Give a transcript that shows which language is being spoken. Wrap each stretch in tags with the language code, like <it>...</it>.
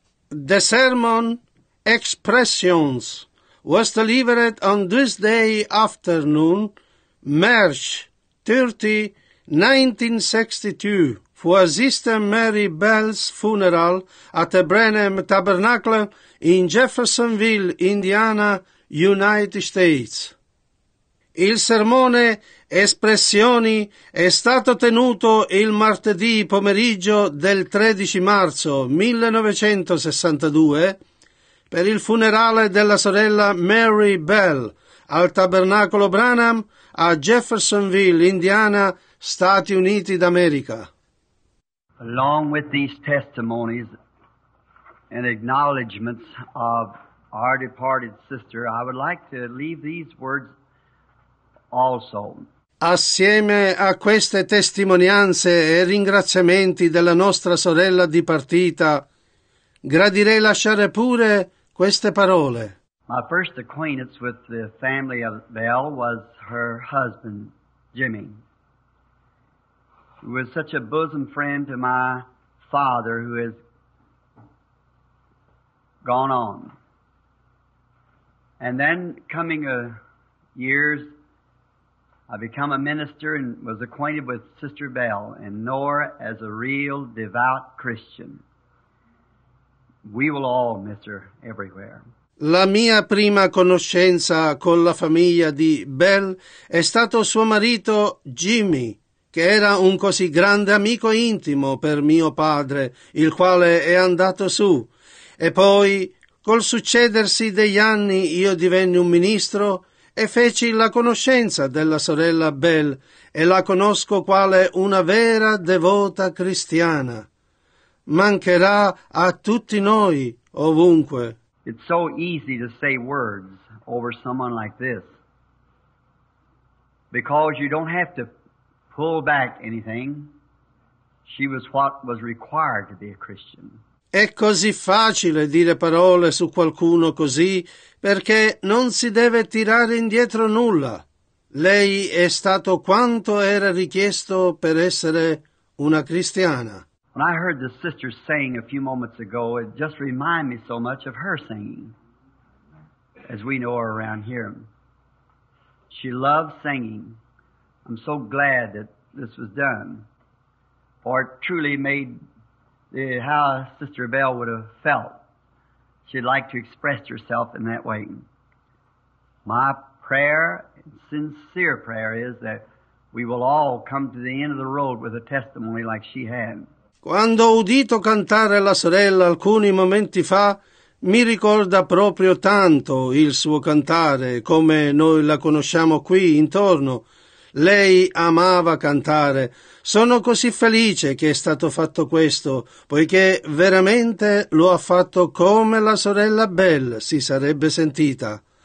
<en>The sermon Expressions was delivered on Tuesday afternoon, March 30, 1962, for Sister Mary Bell's funeral at the Branham Tabernacle in Jeffersonville, Indiana, United States.</en> <it>Il sermone Espressioni è stato tenuto il martedì pomeriggio del 13 marzo 1962 per il funerale della sorella Mary Bell al Tabernacolo Branham a Jeffersonville, Indiana, Stati Uniti d'America.</it> <en>Along with these testimonies and acknowledgments of our departed sister, I would like to leave these words also.</en> <it>Assieme a queste testimonianze e ringraziamenti della nostra sorella dipartita, gradirei lasciare pure queste parole.</it> <en>My first acquaintance with the family of Bell was her husband, Jimmy, who was such a bosom friend to my father, who has gone on. And then coming years, I become a minister and was acquainted with Sister Bell and know her as a real devout Christian. We will all miss her everywhere.</en> <it>La mia prima conoscenza con la famiglia di Bell è stato suo marito Jimmy, che era un così grande amico intimo per mio padre, il quale è andato su. E poi, col succedersi degli anni, io divenni un ministro e feci la conoscenza della sorella Bell e la conosco quale una vera devota cristiana. Mancherà a tutti noi ovunque.</it> <en>It's so easy to say words over someone like this, because you don't have to pull back anything. She was what was required to be a Christian.</en> <it>È così facile dire parole su qualcuno così perché non si deve tirare indietro nulla. Lei è stato quanto era richiesto per essere una cristiana.</it> <en>When I heard the sister sing a few moments ago, it just reminded me so much of her singing, as we know her around here. She loves singing. I'm so glad that this was done, for it truly made how Sister Bell would have felt. She'd like to express herself in that way. My prayer, sincere prayer, is that we will all come to the end of the road with a testimony like she had.</en> <it>Quando ho udito cantare la sorella alcuni momenti fa, mi ricorda proprio tanto il suo cantare, come noi la conosciamo qui intorno. Lei amava cantare. Sono così felice che è stato fatto questo, poiché veramente lo ha fatto come la sorella Bell si sarebbe sentita.</it>